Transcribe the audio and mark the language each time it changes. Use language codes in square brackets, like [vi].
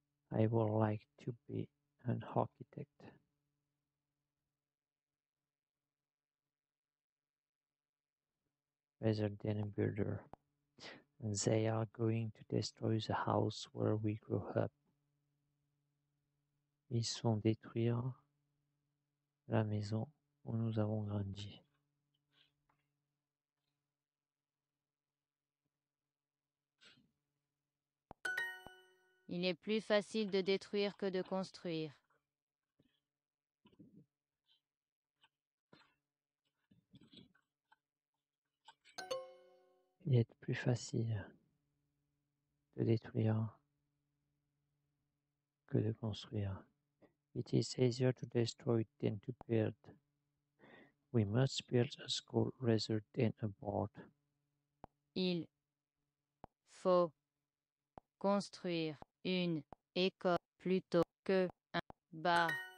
[en] I would like to be an architect. Rather than a builder. And they are going to destroy the house where we grew up. [fr] Ils sont détruire la maison où nous avons grandi. Il est plus facile de détruire que de construire. Il est plus facile de détruire que de construire. [en] It is easier to destroy than to build. We must build a school rather than a board. [fr] Il faut construire une école plutôt que un bar.